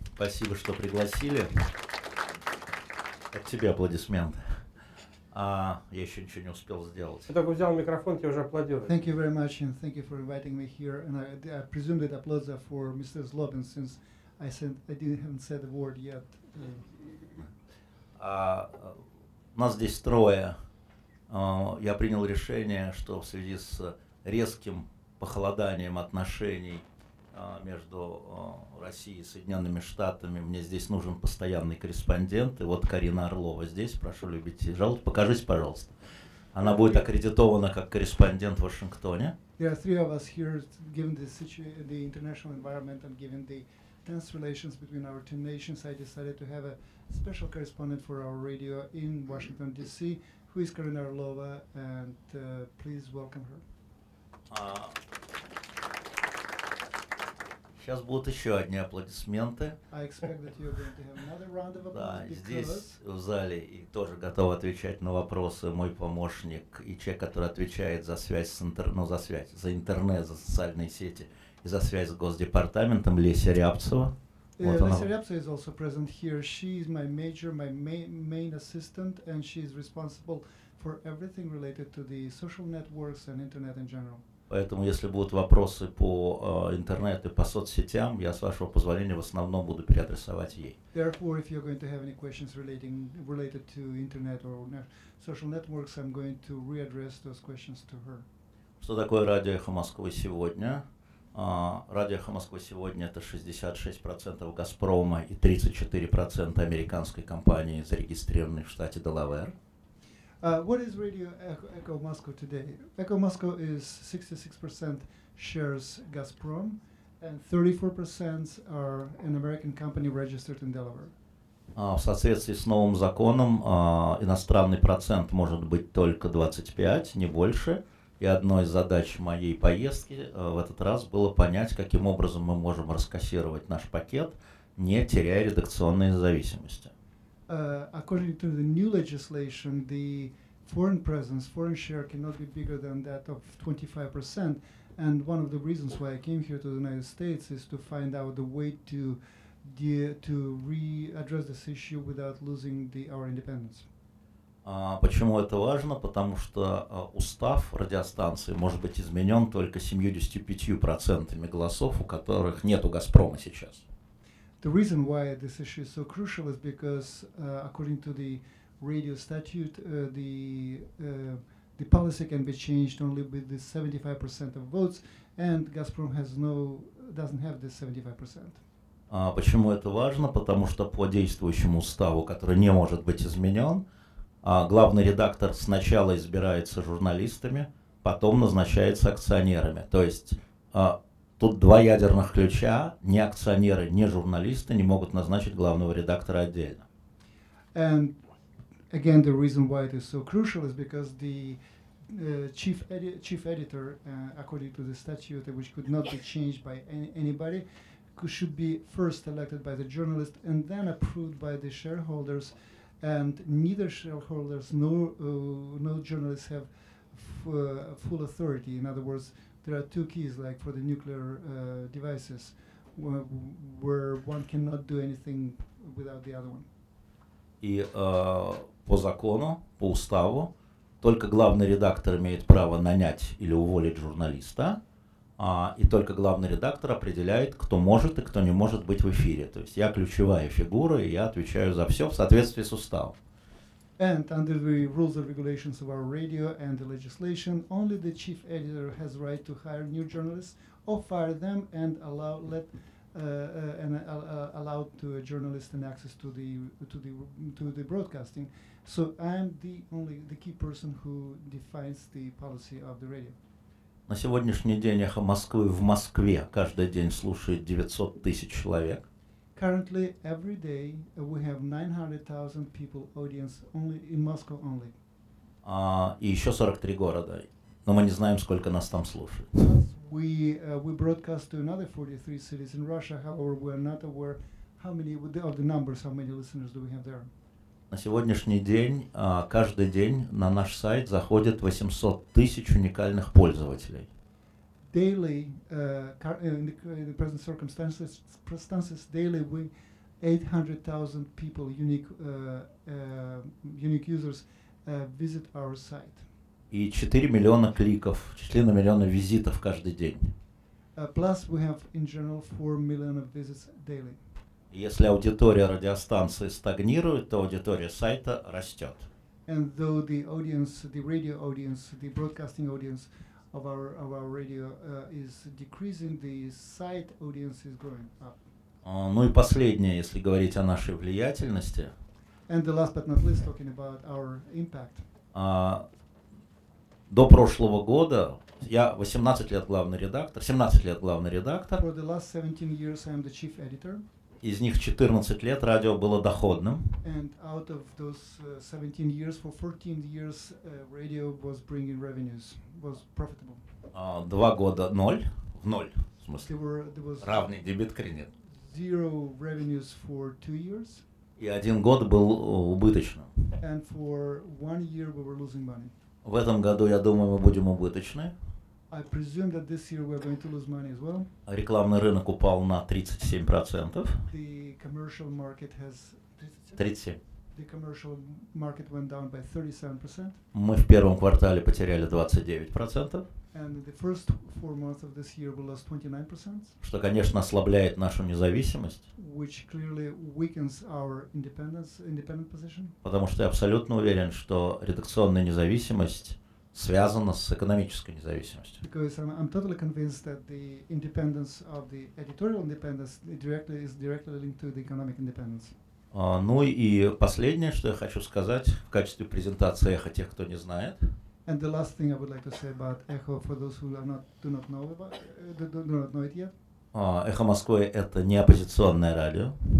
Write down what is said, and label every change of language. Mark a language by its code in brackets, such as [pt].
[ru] Спасибо, что пригласили. От тебя аплодисменты. Я еще ничего не успел сделать. Я только взял микрофон, тебе уже аплодирую. [en] Thank you very much, and thank you for inviting me here. And I presume that applause are for Mr. Zlobin, since I haven't said a word yet. [ru] Нас здесь трое. Я принял решение, что в связи с резким похолоданием отношений между Россией и Соединенными Штатами. Мне здесь нужен постоянный корреспондент. И вот Карина Орлова здесь. Прошу любить и жаловать. Покажись, пожалуйста. Она будет аккредитована как корреспондент в Вашингтоне. [en] There are three of us here, given the international environment and given the tense relations between our two nations, I decided to have a special correspondent for our radio in Washington, D.C., who is Karina Orlova, and please welcome her. [ru] Сейчас будут еще одни аплодисменты. [en] I expect that you're going to have another round of applause. [ru] Да, здесь в зале и тоже готов отвечать на вопросы мой помощник и человек, который отвечает за связь с за интернет, за социальные сети и за связь с Госдепартаментом Леся Рябцева. [en] Леся Рябцева is also present here. She is my major, my main assistant, and she is responsible for everything related to the social networks and internet in general. [ru] Поэтому, если будут вопросы по интернету, по соцсетям, я, с вашего позволения, в основном буду переадресовать ей. [en] Therefore, if you're going to have any questions related to internet or social networks, I'm going to readdress those questions to her. [ru] Что такое радио «Эхо Москвы» сегодня? Радио «Эхо Москвы» сегодня — это 66% «Газпрома» и 34% американской компании, зарегистрированной в штате Делавэр. [en] What is Radio Echo of Moscow today? Echo of Moscow is 66% shares Gazprom, and 34% are an American company registered in Delaware. [ru] В соответствии с новым законом, иностранный процент может быть только 25, не больше. И одной из задач моей поездки в этот раз было понять, каким образом мы можем раскассировать наш пакет, не теряя редакционной зависимости. [en] According to the new legislation, the foreign presence, foreign share cannot be bigger than that of 25%. And one of the reasons why I came here to the United States is to find out the way to readdress this issue without losing our independence. [ru] Почему это важно? Потому что устав радиостанции может быть изменен только 75% голосов, у которых нету Газпрома сейчас. [en] The reason why this issue is so crucial is because, according to the radio statute, the policy can be changed only with the 75% of votes, and Gazprom doesn't have this 75%. [ru] Почему это важно? Потому что по действующему уставу, который не может быть изменен, главный редактор сначала избирается журналистами, потом назначается акционерами. То есть тут два ядерных ключа: ни акционеры, ни журналисты не могут назначить главного редактора отдельно. [en] And again, the reason why it is so crucial is because the chief editor, according to the statute, which could not be changed by anybody, should be first elected by the journalist and then approved by the shareholders. And neither shareholders nor journalists have full authority. In other words, there are two keys, like for the nuclear devices, where one cannot do anything without the other one. [ru] И по закону, по уставу, только главный редактор имеет право нанять или уволить журналиста, и только главный редактор определяет, кто может и кто не может быть в эфире. То есть я ключевая фигура, и я отвечаю за все в соответствии с уставом. [en] And under the rules and regulations of our radio and the legislation, only the chief editor has right to hire new journalists or fire them and allow to a journalist an access to the broadcasting. So I'm the key person who defines the policy of the radio. [ru] На сегодняшний день «Эхо Москвы» в Москве каждый день слушает 900 тысяч человек. [en] Currently, every day, we have 900,000 people audience only in Moscow only. [ru] И еще 43 города, но мы не знаем, сколько нас там слушают. [en] We broadcast to another 43 cities in Russia, however, we are not aware how many listeners do we have there. [ru] На сегодняшний день, каждый день на наш сайт заходит 800 тысяч уникальных пользователей. [en] Daily, in the present circumstances, daily we 800,000 people, unique users, visit our site. [ru] И 4 миллиона кликов, 4 миллиона визитов каждый день. [en] Plus we have in general 4 million of visits daily. [ru] Если аудитория радиостанции стагнирует, то аудитория сайта растет. [en] And though the audience, the radio audience, the broadcasting audience of our radio is decreasing, the site audience is going up. [ru] Ну и последнее, если говорить о нашей влиятельности. [en] And the last but not least, talking about our impact. [ru] До прошлого года я 18 лет главный редактор. 17 лет главный редактор. [en] For the last 17 years, I am the chief editor. [ru] Из них 14 лет радио было доходным. [en] And out of those 17 years, for 14 years, radio was bringing revenues, was profitable. [ru] Два года ноль, в ноль, в смысле, равный дебет кредит. [en] Zero revenues for 2 years. [ru] И один год был убыточным. [en] And for 1 year, we were losing money. [ru] В этом году, я думаю, мы будем убыточны. [en] I presume that this year we're going to lose money as well. [ru] Рекламный рынок упал на 37%. [en] The commercial market has 37. The commercial market went down by 37%. [ru] Мы в первом квартале потеряли 29%. [en] And the first 4 months of this year we lost 29%. [ru] Что, конечно, ослабляет нашу независимость. [en] Which clearly weakens our independent position. [ru] Потому что я абсолютно уверен, что редакционная независимость связано с экономической независимостью. [en] Because I'm totally convinced that the independence of the editorial independence is directly linked to the economic independence. [ru] Ну и последнее, что я хочу сказать в качестве презентации Эхо тех, кто не знает. [en] And the last thing I would like to say about Echo for those who do not know it yet. [ru] Эхо Москвы — это не оппозиционное радио.